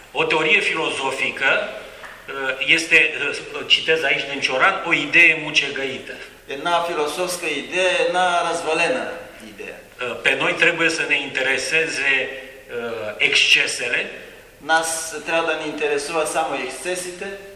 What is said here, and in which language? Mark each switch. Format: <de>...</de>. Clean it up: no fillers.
<ro>O teorie filozofică este, citez aici din Cioran, o idee mucegăită.</ro> <bg>Една философска идея, една развалена идея.</bg> <ro>Pe noi trebuie să ne intereseze excesele.</ro> <bg>Нас трябва да ни интересува само ексцесите.</bg>